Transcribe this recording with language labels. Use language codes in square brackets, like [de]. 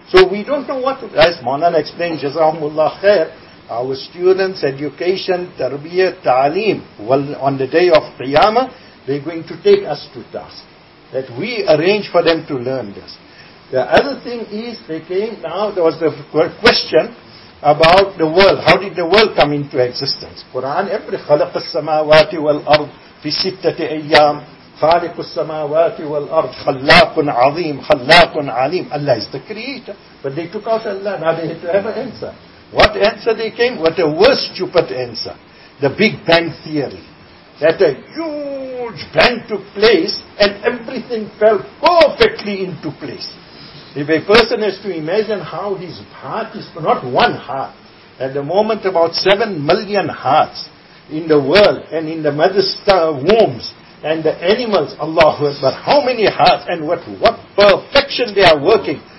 [en] So we don't know what to do. As Maulana explained, Jazahumullah khair, our students, education, tarbiyah, ta'aleem, well, on the day of Qiyamah, they're going to take us to task. That we arrange for them to learn this. The other thing is, they came, now there was a question about the world. How did the world come into existence? Quran, every [ar] خلق السماوات والأرض في ستة أيام خالق السماوات والأرض خلاق عظيم خلاق عليم. [en] Allah is the creator. But they took out Allah, now they had to have an answer. What answer they came? What a worse stupid answer. The Big Bang Theory. That a huge bang took place and everything fell perfectly into place. If a person has to imagine how his heart is, not one heart, at the moment about 7 million hearts in the world and in the mother's wombs and the animals, Allahu Akbar, how many hearts and what perfection they are working.